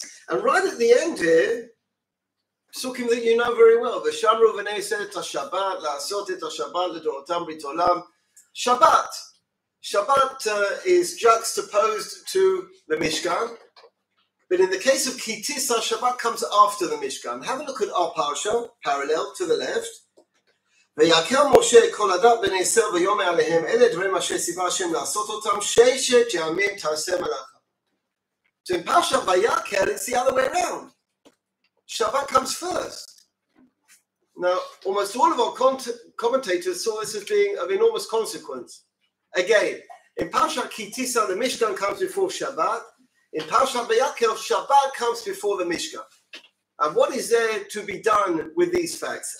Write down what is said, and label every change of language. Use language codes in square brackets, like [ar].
[en] And right at the end here, Sukkim that you know very well, the Shamru Veneset, Shabbat, La Sotet, Shabbat, the Dorotam Brit Olam. Shabbat. Shabbat is juxtaposed to the Mishkan. But in the case of Kitisa, Shabbat comes after the Mishkan. Have a look at our parasha, parallel to the left. [he] ויקר משה כל אדם בני ישראל ויאמר עליהם אלה דברים אשר ציווה השם לעשות אותם ששת ימים תעשה מלאכה. [en] So in Pasha Vayaker, it's the other way around. Shabbat comes first. Now, almost all of our commentators saw this as being of enormous consequence. Again, in Pasha Kitisa, the Mishkan comes before Shabbat. In Pasha Vayaker, Shabbat comes before the Mishkan. And what is there to be done with these facts?